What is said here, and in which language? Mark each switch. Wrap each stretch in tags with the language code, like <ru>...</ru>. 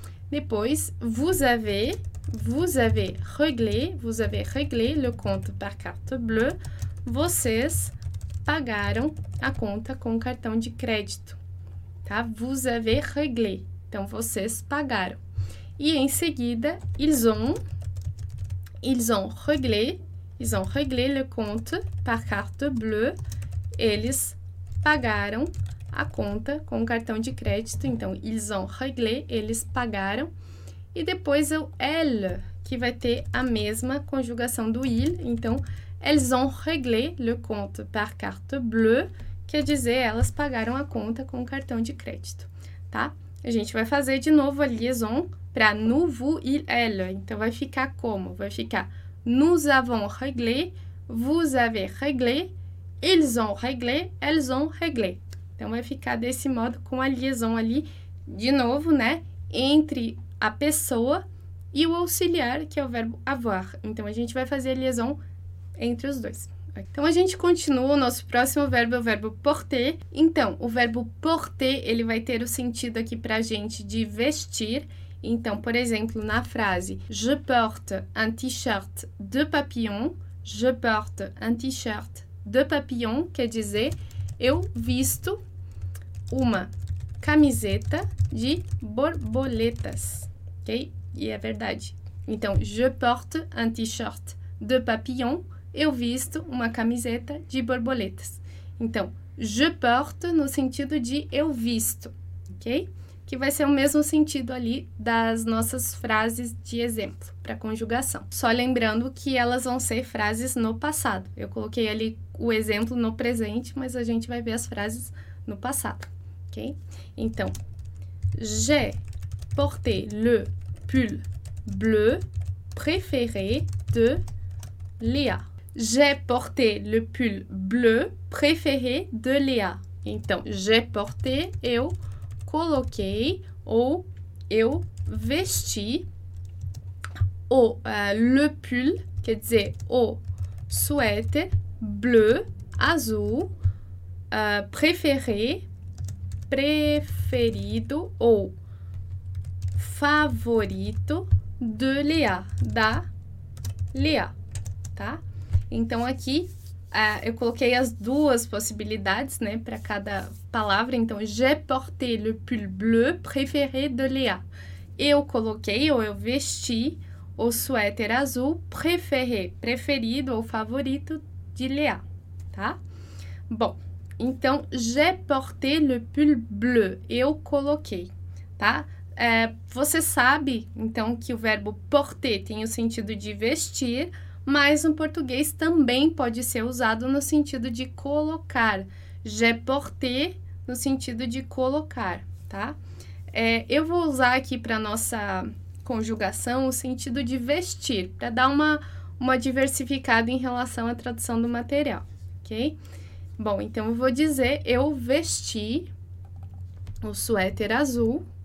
<pt>Depois,</pt> <fr>vous avez réglé le compte par carte bleue.</fr> <pt>Vocês pagaram a conta com cartão de crédito, tá?</pt> <fr>Vous avez réglé.</fr> <pt>Então, vocês pagaram. E em seguida,</pt> <fr>ils ont réglé le compte par carte bleue.</fr> <pt>Eles pagaram a conta com cartão de crédito. Então,</pt> <fr>ils ont réglé,</fr> <pt>eles pagaram. E depois o elle, que vai ter a mesma conjugação do il. Então,</pt> <fr>elles ont réglé le compte par carte bleue,</fr> <pt>quer dizer, elas pagaram a conta com cartão de crédito, tá? A gente vai fazer de novo a liaison para nous, vous, il, elle. Então, vai ficar como? Vai ficar</pt> <fr>nous avons réglé, vous avez réglé, ils ont réglé, elles ont réglé.</fr> <pt>Então, vai ficar desse modo com a liaison ali, de novo, né? Entre a pessoa e o auxiliar, que é o verbo avoir. Então, a gente vai fazer a liaison entre os dois. Então, a gente continua. O nosso próximo verbo é o verbo porter. Então, o verbo porter, ele vai ter o sentido aqui para a gente de vestir. Então, por exemplo, na frase:</pt> <fr>Je porte un t-shirt de papillon. Je porte un t-shirt de papillon.</fr> <pt>Quer dizer, eu visto uma camiseta de borboletas. Ok? E é verdade. Então,</pt> <fr>je porte un t-shirt de papillon.</fr> <pt>Eu visto uma camiseta de borboletas. Então,</pt> <fr>je porte</fr> <pt>no sentido de eu visto, ok? que vai ser o mesmo sentido ali das nossas frases de exemplo para conjugação. Só lembrando que elas vão ser frases no passado. Eu coloquei ali o exemplo no presente, mas a gente vai ver as frases no passado, ok? Então,</pt> <fr>j'ai porté le pull bleu préféré de Léa. J'ai porté le pull bleu préféré de Léa.</fr> <pt>Então,</pt> <fr>j'ai porté,</fr> <pt>eu coloquei ou eu vesti o</pt> <fr>le pull,</fr> <pt>quer dizer, o suéter bleu azul preferido ou favorito de Léa, da Léa, tá? Então aqui eu coloquei as duas possibilidades, né, para cada palavra. Então,</pt> <fr>j'ai porté le pull bleu préféré de Léa.</fr> <pt>Eu coloquei ou eu vesti o suéter azul preferido ou favorito de Léa, tá? Bom, então</pt> <fr>j'ai porté le pull bleu.</fr> <pt>Eu coloquei, tá? Você sabe então que o verbo porter tem o sentido de vestir. Mas no português também pode ser usado no sentido de colocar.</pt> <fr>J'ai porté</fr> <pt>no sentido de colocar, tá? Eu vou usar aqui para nossa conjugação o sentido de vestir, para dar uma diversificada em relação à tradução do material, ok? Bom, então eu vou dizer: eu vesti o suéter azul.</pt>